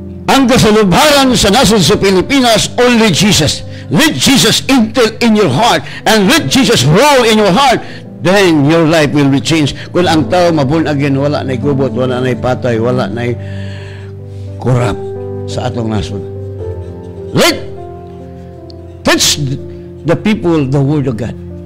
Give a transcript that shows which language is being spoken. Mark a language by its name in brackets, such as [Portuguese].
[Cebuano] Ang kasalubharan sa nasod sa Pilipinas, [English] only Jesus. Let Jesus enter in your heart and let Jesus rule in your heart. Then your life will be changed. [Cebuano] Kung ang tao ma-born again, wala na'y gubot, wala na'y patay, wala na'y kurap sa atong nasod. [English] Let's teach the people the Word of God.